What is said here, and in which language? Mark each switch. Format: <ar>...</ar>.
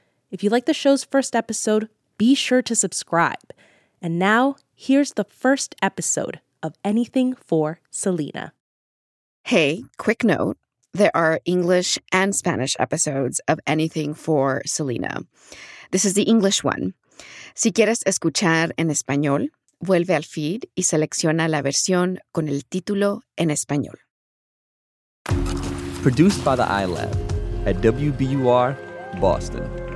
<en>If you like the show's first episode, be sure to subscribe. And now, here's the first episode of Anything for Selena. Hey, quick note. There are English and Spanish episodes of Anything for Selena. This is the English one.</en> <es>Si quieres escuchar en español, vuelve al feed y selecciona la versión con el título en español.</es> <en>Produced by the iLab at WBUR Boston.</en>